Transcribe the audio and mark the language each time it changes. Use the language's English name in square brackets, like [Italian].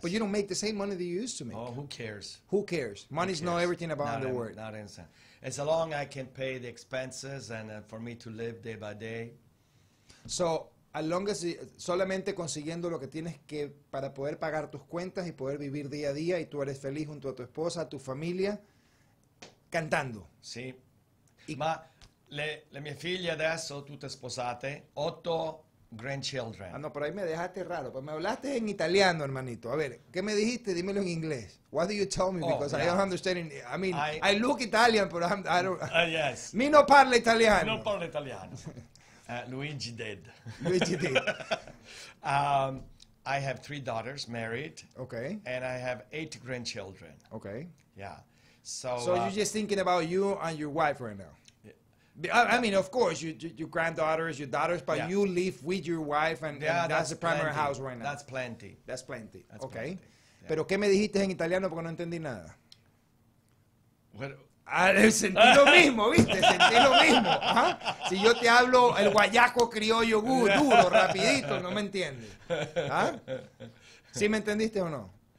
[English] But you don't make the same money that you used to make. Oh, who cares? Who cares? Money is not everything about the world. Not innocent. As long as I can pay the expenses and for me to live day by day. So, as long as [Spanish] solamente consiguiendo lo que tienes que para poder pagar tus cuentas y poder vivir día a día y tú eres feliz junto a tu esposa, a tu familia, cantando. [Italian] Sì. Sí. Ma le mie figlie adesso tutte sposate, [English] 8 grandchildren. [Spanish] Ah, no, pero ahí me dejaste raro, pues me hablaste en italiano, hermanito. A ver, ¿qué me dijiste? Dímelo en inglés. [English] What do you tell me? Because I don't understand. I mean, I look Italian, but I don't. Yes. [Italian] Mi no parla italiano. No parla italiano. [English] Luigi did. Luigi did. I have 3 daughters married. Okay. And I have 8 grandchildren. Okay. Yeah. So. So you're just thinking about you and your wife right now. I mean, of course, your granddaughters, your daughters, but you live with your wife, and that's the primary plenty. House right now. That's plenty. That's plenty. That's okay. Plenty. Yeah. [Spanish] Pero qué me dijiste en italiano porque no entendí nada. Sentí lo mismo, viste, sentí lo mismo. ¿Ah? Si yo te hablo el guayaco criollo duro, rapidito, no me entiendes. ¿Ah? ¿Sí me entendiste o no?